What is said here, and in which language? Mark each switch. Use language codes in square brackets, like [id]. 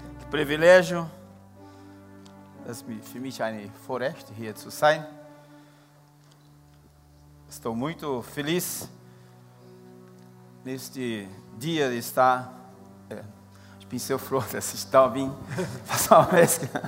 [de] Privilegio, es ist für mich ein Vorrecht, hier zu sein. [pt] Estou muito feliz neste dia de estar. [de] Ich bin sehr froh, dass ich da bin. Was war das?